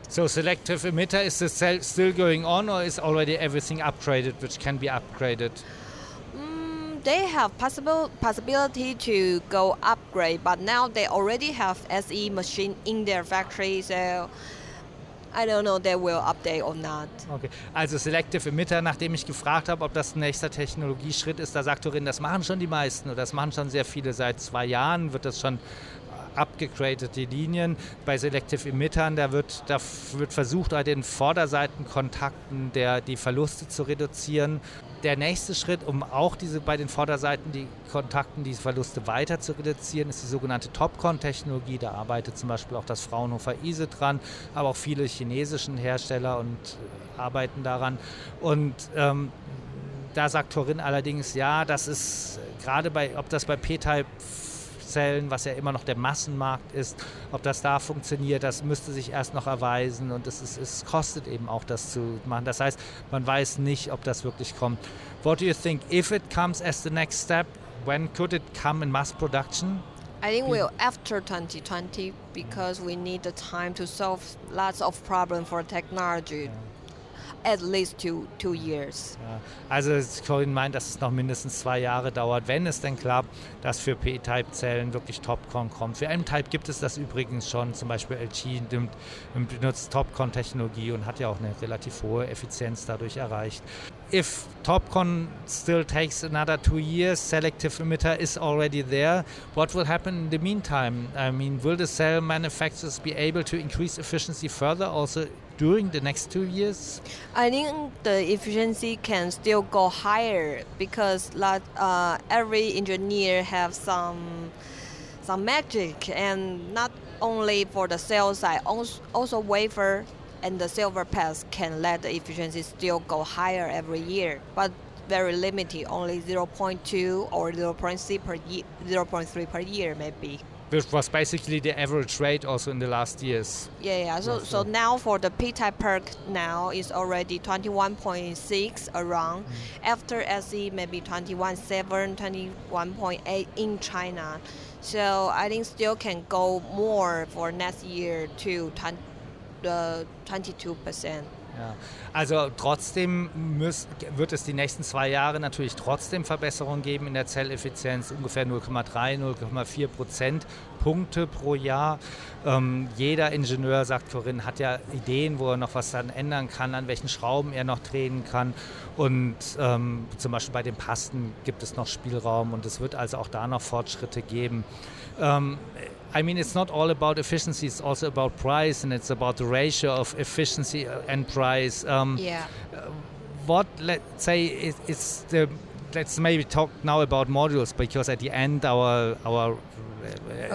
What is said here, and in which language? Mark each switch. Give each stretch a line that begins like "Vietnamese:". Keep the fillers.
English: So selective emitter is this cell still going on, or is already everything upgraded, which can be upgraded? Mm, they have possible possibility to go upgrade, but now they already have SE machine in their factory, so I don't know they will update or not. Okay.
German: Also Selective Emitter, nachdem ich gefragt habe, ob das ein nächster Technologieschritt ist, da sagt Torin, das machen schon die meisten oder das machen schon sehr viele. Seit zwei Jahren wird das schon abgegradet, die Linien. Bei Selective Emittern, da wird, da wird versucht, bei den Vorderseitenkontakten der, die Verluste zu reduzieren. Der nächste Schritt, um auch diese, bei den Vorderseiten die Kontakten, die Verluste weiter zu reduzieren, ist die sogenannte Topcon-Technologie. Da arbeitet zum Beispiel auch das Fraunhofer ISE dran, aber auch viele chinesischen Hersteller und äh, arbeiten daran. Und ähm, da sagt Torin allerdings, ja, das ist gerade bei, ob das bei P-Type Zellen, was ja immer noch der Massenmarkt ist, ob das da funktioniert, das müsste sich erst noch erweisen und es, ist, es kostet eben auch, das zu machen. Das heißt, man weiß nicht, ob das wirklich kommt.
English: What do you think, if it comes as the next step, when could it come in mass production? I think we'll after 2020 because we need the time to solve lots of problems for technology. At least two, two years.
German: Ja, Also Corinne meint, dass es noch mindestens zwei Jahre dauert, wenn es denn klappt, dass für P-Type-Zellen wirklich Topcon kommt. Für M-Type gibt es das übrigens schon, zum Beispiel LG nimmt, benutzt Topcon-Technologie und hat ja auch eine relativ hohe Effizienz dadurch erreicht.
English: If Topcon still takes another two years, selective emitter is already there. What will happen in the meantime? I mean, will the cell manufacturers be able to increase efficiency further also during the next two years? I think the efficiency can still go higher because lot, uh, every engineer have some some magic and not only for the sales side, als- also wafer and the silver pass can let the efficiency still go higher every year, but very limited, only 0.2 or 0.3 per year, 0.3 per year maybe. Which was basically the average rate also in the last years. Yeah, yeah. So, so now for the P-type perk now is already 21.6 around. After SE maybe 21.7, 21.8 in China. So I think still can go more for next year to 20, the 22%.
German: Ja. Also trotzdem müß, wird es die nächsten zwei Jahre natürlich trotzdem Verbesserungen geben in der Zelleffizienz, ungefähr 0,3, 0,4 Prozent Punkte pro Jahr. Ähm, jeder Ingenieur, sagt Corinne, hat ja Ideen, wo er noch was dann ändern kann, an welchen Schrauben er noch drehen kann. Und ähm, zum Beispiel bei den Pasten gibt es noch Spielraum und es wird also auch da noch Fortschritte geben.
English: Um, I mean, it's not all about efficiency. It's also about price, and it's about the ratio of efficiency and price. Um, Yeah. What let's say it, it's the let's maybe talk now about modules because at the end our our uh,